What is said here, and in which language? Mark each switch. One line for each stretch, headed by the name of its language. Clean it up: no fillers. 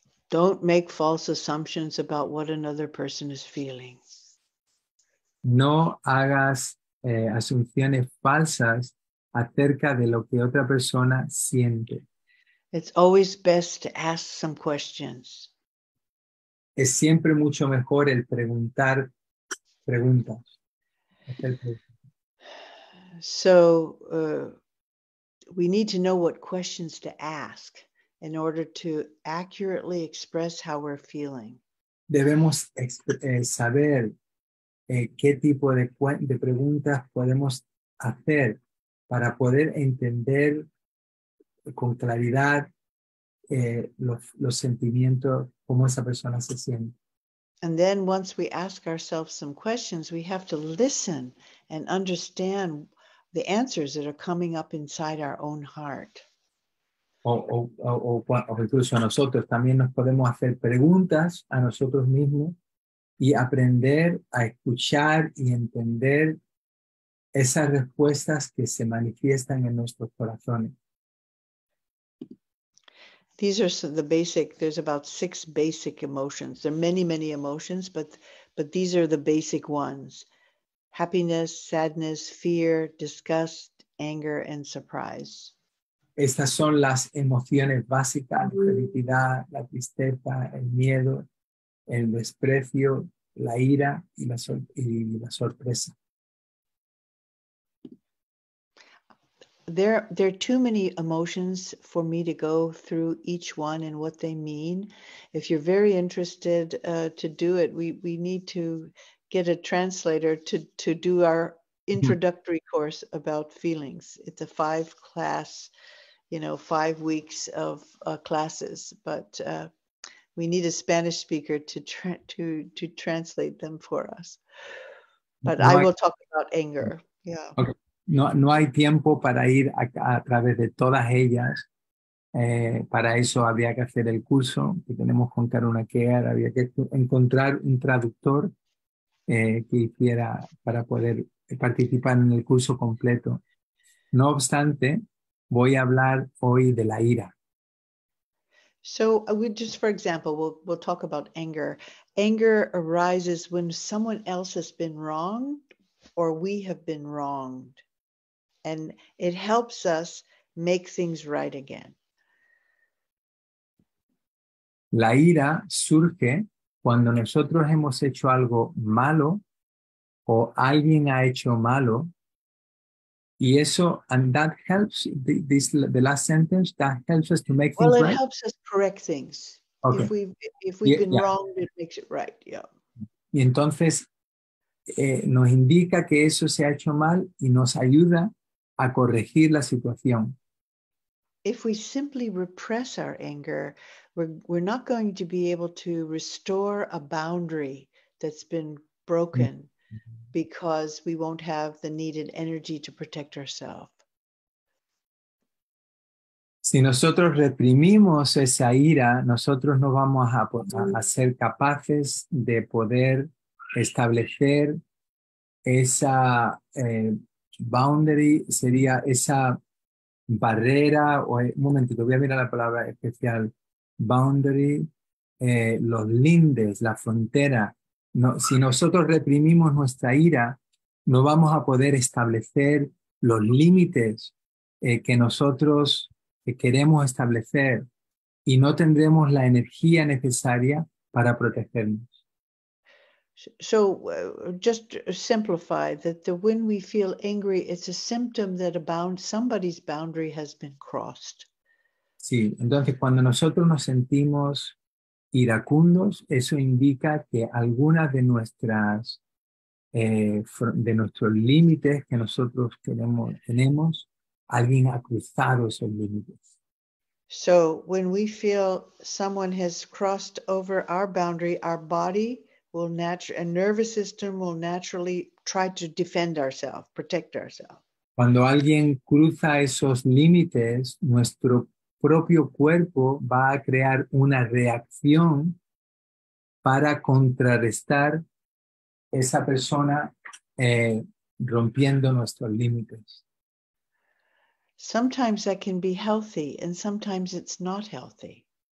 English: Don't make false assumptions about what another person is feeling.
Spanish: No hagas asunciones falsas acerca de lo que otra persona siente.
English: It's always best to ask some questions.
Spanish: Es siempre mucho mejor el preguntar preguntas.
English: So we need to know what questions to ask in order to accurately express how we're feeling.
Spanish: Debemos saber qué tipo de preguntas podemos hacer para poder entender con claridad los sentimientos, cómo esa persona se siente.
English: And then once we ask ourselves some questions, we have to listen and understand the answers that are coming up inside our own heart.
Spanish: O incluso a nosotros también nos podemos hacer preguntas a nosotros mismos y aprender a escuchar y entender esas respuestas que se manifiestan en nuestros corazones.
English: These are the basic, there's about six basic emotions. There are many, many emotions, but these are the basic ones. Happiness, sadness, fear, disgust, anger, and surprise.
Spanish: Estas son las emociones básicas, la felicidad, la tristeza, el miedo, el desprecio, la ira y la sorpresa.
English: There are too many emotions for me to go through each one and what they mean. If you're very interested to do it, we need to get a translator to do our introductory course about feelings. It's a five class, you know, 5 weeks of classes, but we need a Spanish speaker to translate them for us. But no, I will talk about anger. Yeah. Okay.
Spanish: No hay tiempo para ir a través de todas ellas. Para eso había que hacer el curso que tenemos con Karuna Kear. Había que encontrar un traductor que hiciera para poder participar en el curso completo. No obstante, voy a hablar hoy de la ira.
English: So we just, for example, we'll talk about anger. Anger arises when someone else has been wronged or we have been wronged. And it helps us make things right again.
Spanish: La ira surge cuando nosotros hemos hecho algo malo o alguien ha hecho malo. Y eso,
English: and that helps, the last sentence, that helps us to make things right. Well, it helps us correct things. Okay. If we've been wrong, it makes it right, yeah.
Spanish: Y entonces, nos indica que eso se ha hecho mal y nos ayuda a corregir la situación.
English: If we simply repress our anger, we're not going to be able to restore a boundary that's been broken. Mm-hmm. Because we won't have the needed energy to protect ourselves.
Spanish: Si nosotros reprimimos esa ira, nosotros no vamos a ser capaces de poder establecer esa boundary, sería esa barrera, o un momentito, voy a mirar la palabra especial, boundary, los lindes, la frontera. No, si nosotros reprimimos nuestra ira, no vamos a poder establecer los límites que nosotros queremos establecer y no tendremos la energía necesaria para protegernos.
English: So, just simplify that the, when we feel angry, it's a symptom that a bound, somebody's boundary has been crossed.
Spanish: Sí, entonces cuando nosotros nos sentimos iracundos, eso indica que algunas de nuestras de nuestros límites que nosotros queremos, tenemos, alguien ha cruzado esos límites.
English: So when we feel someone has crossed over our boundary, our body will a nervous system will naturally try to defend ourselves, protect ourselves.
Spanish: Cuando alguien cruza esos límites, nuestro propio cuerpo va a crear una reacción para contrarrestar esa persona rompiendo nuestros límites.
English: Sometimes that can be healthy and sometimes it's not healthy.